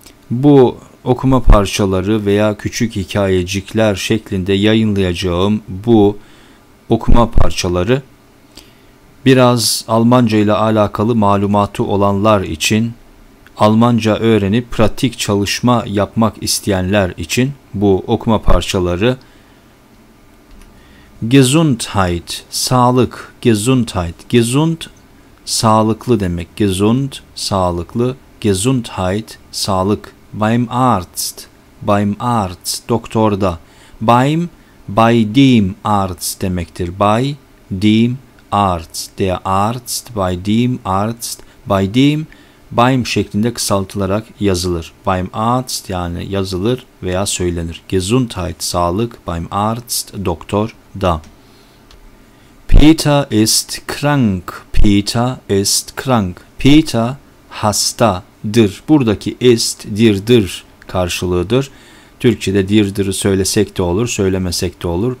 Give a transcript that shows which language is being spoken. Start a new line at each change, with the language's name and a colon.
Turkish: Bu okuma parçaları veya küçük hikayecikler şeklinde yayınlayacağım bu okuma parçaları biraz Almanca ile alakalı malumatı olanlar için, Almanca öğrenip pratik çalışma yapmak isteyenler için bu okuma parçaları Gesundheit, sağlık, Gesundheit, gesund, sağlıklı demek, gesund, sağlıklı. Gesundheit, sağlık.
German: Beim Arzt, beim Arzt, doktorda.
Turkish: Beim, bei dem Arzt demektir.
German: Bei dem Arzt, der Arzt, bei dem Arzt, bei dem, beim
Turkish: şeklinde kısaltılarak yazılır. Beim Arzt, yani yazılır veya söylenir. Gesundheit, sağlık. Beim Arzt, doktorda.
German: Peter ist krank. Peter ist krank.
Turkish: Peter hasta. Dir. Buradaki ist, dirdir karşılığıdır. Türkçe'de dirdir'i söylesek de olur, söylemesek de olur.